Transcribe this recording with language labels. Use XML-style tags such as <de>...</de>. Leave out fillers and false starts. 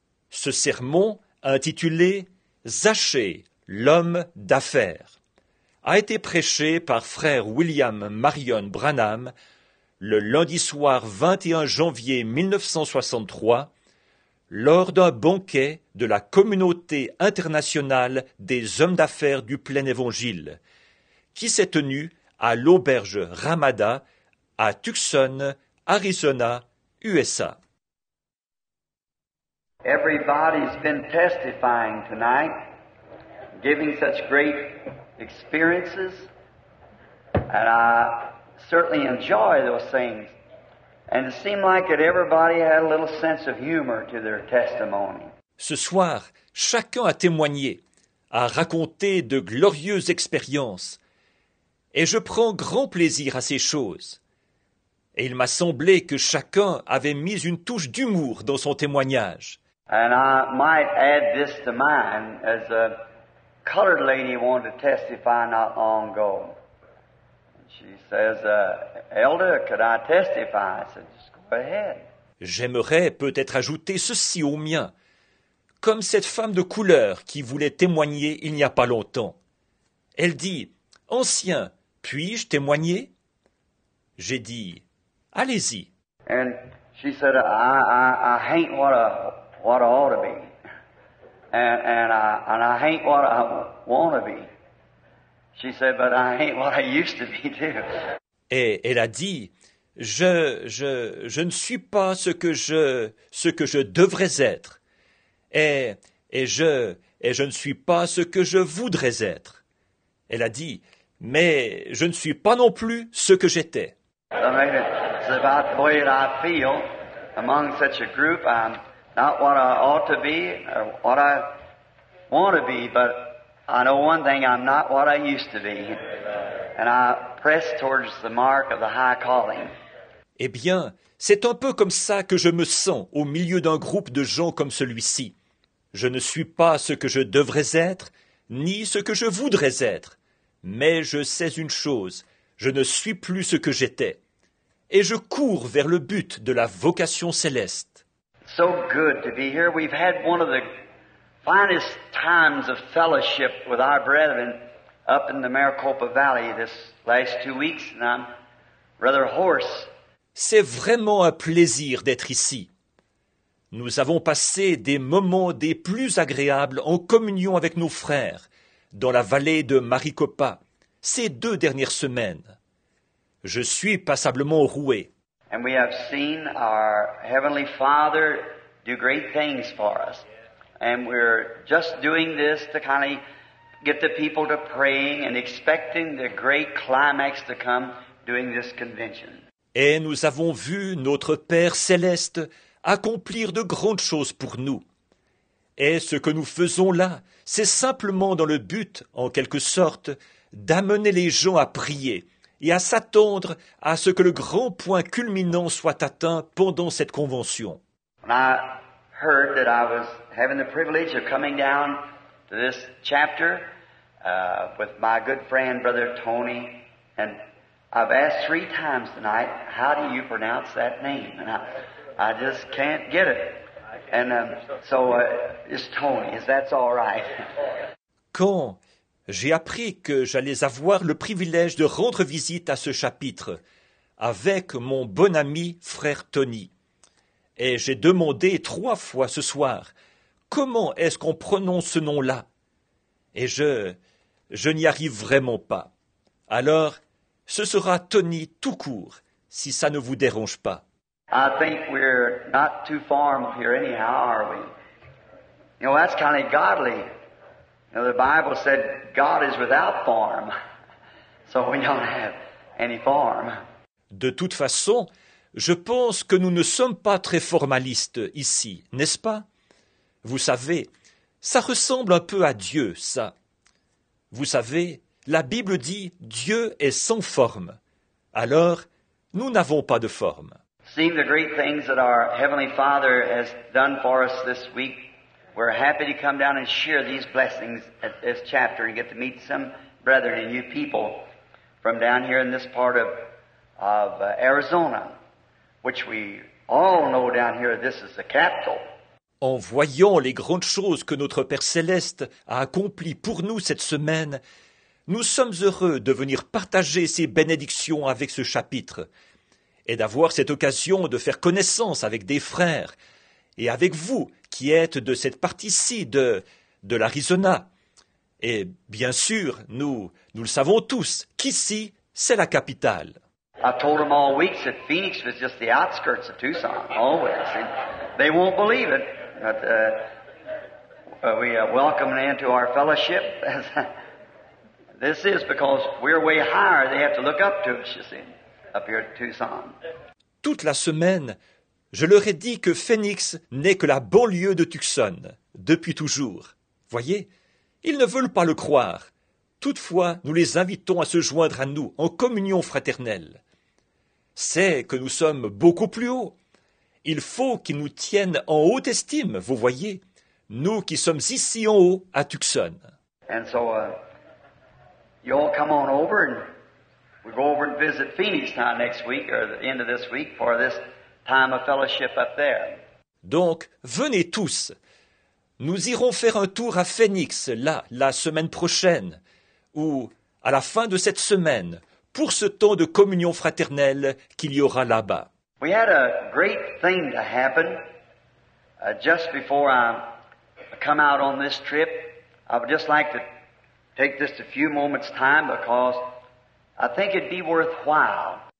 <fr>Ce sermon, intitulé Zacchée, l'homme d'affaires, a été prêché par frère William Marion Branham le lundi soir 21 janvier 1963. Lors d'un banquet de la Communauté internationale des hommes d'affaires du plein évangile, qui s'est tenu à l'auberge Ramada à Tucson, Arizona, USA.</fr> <en>Everybody's been testifying tonight, giving such great experiences, and I certainly enjoy those things. And it seemed like that everybody had a little sense of humor to their testimony.</en> <fr>Ce soir, chacun a témoigné, a raconté de glorieuses expériences. Et je prends grand plaisir à ces choses. Et il m'a semblé que chacun avait mis une touche d'humour dans son témoignage.</fr> <en>And I might add this to mine, as a colored lady wanted to testify not long ago. She says, Elder, could I testify? I said, just go ahead.</en> <fr>J'aimerais peut-être ajouter ceci au mien, comme cette femme de couleur qui voulait témoigner il n'y a pas longtemps. Elle dit, ancien, puis-je témoigner? J'ai dit, allez-y.</fr> <en>And she said, I ain't what I ought to be. And I ain't what I want to be. She said, but I ain't what I used to be too.</en> <fr>Et elle a dit, je ne suis pas ce que je devrais être, et je ne suis pas ce que je voudrais être. Elle a dit, mais je ne suis pas non plus ce que j'étais.</fr> <en>It's about the way that I feel among such a group. I'm not what I ought to be or what I want to be, but I know one thing, I'm not what I used to be, and I press towards the mark of the high calling.</en> <fr>Eh bien, c'est un peu comme ça que je me sens au milieu d'un groupe de gens comme celui-ci. Je ne suis pas ce que je devrais être, ni ce que je voudrais être, mais je sais une chose, je ne suis plus ce que j'étais, et je cours vers le but de la vocation céleste.</fr> <en>So good to be here. We've had one of the finest times of fellowship with our brethren up in the Maricopa Valley this last 2 weeks, and I'm rather hoarse.</en> <fr>C'est vraiment un plaisir d'être ici. Nous avons passé des moments des plus agréables en communion avec nos frères dans la vallée de Maricopa ces 2 dernières semaines. Je suis passablement roué.</fr> <en>And we have seen our Heavenly Father do great things for us. And we're just doing this to kind of get the people to praying and expecting the great climax to come during this convention.</en> <fr>Et nous avons vu notre Père Céleste accomplir de grandes choses pour nous. Et ce que nous faisons là, c'est simplement dans le but, en quelque sorte, d'amener les gens à prier et à s'attendre à ce que le grand point culminant soit atteint pendant cette convention.</fr> <en>Heard that I was having the privilege of coming down to this chapter with my good friend Brother Tony, and I've asked 3 times tonight, how do you pronounce that name? And I just can't get it. And it's Tony. Is that all right?</en> <fr>Quand j'ai appris que j'allais avoir le privilège de rendre visite à ce chapitre avec mon bon ami frère Tony. Et j'ai demandé 3 fois ce soir, comment est-ce qu'on prononce ce nom-là? Et je n'y arrive vraiment pas. Alors, ce sera Tony tout court, si ça ne vous dérange pas.</fr> <en>I think we're not too far from here anyhow, are we? You know, that's kind of godly. You know, the Bible said God is without form. So we don't have any form.</en> <fr>De toute façon, je pense que nous ne sommes pas très formalistes ici, n'est-ce pas? Vous savez, ça ressemble un peu à Dieu, ça. Vous savez, la Bible dit « Dieu est sans forme ». Alors, nous n'avons pas de forme.</fr> <en>Seeing the great things that our Heavenly Father has done for us this week, we're happy to come down and share these blessings at this chapter and get to meet some brethren and new people from down here in this part of Arizona, which we all know down here this is the capital.</en> <fr>En voyant les grandes choses que notre Père Céleste a accomplies pour nous cette semaine, nous sommes heureux de venir partager ces bénédictions avec ce chapitre et d'avoir cette occasion de faire connaissance avec des frères et avec vous qui êtes de cette partie-ci de l'Arizona. Et bien sûr, nous le savons tous qu'ici, c'est la capitale.</fr> <en>I told them all week that Phoenix was just the outskirts of Tucson, always. And they won't believe it, but we welcome them into our fellowship. This is because we're way higher, they have to look up to us, you see, up here at Tucson.</en> <fr>Toute la semaine, je leur ai dit que Phoenix n'est que la banlieue de Tucson, depuis toujours. Voyez, ils ne veulent pas le croire. Toutefois, nous les invitons à se joindre à nous en communion fraternelle. C'est que nous sommes beaucoup plus haut. Il faut qu'ils nous tiennent en haute estime, vous voyez, nous qui sommes ici en haut à Tucson.</fr> <en>And so, you all come on over and we'll go over and visit Phoenix now next week or the end of this week for this time of fellowship up there.</en> <fr>Donc, venez tous. Nous irons faire un tour à Phoenix, là, la semaine prochaine, ou à la fin de cette semaine, pour ce temps de communion fraternelle qu'il y aura là-bas.</fr> <en>We had a great thing to happen just before I come out on this trip. I would just like to take this a few moments time because I think it'd be worthwhile.</en>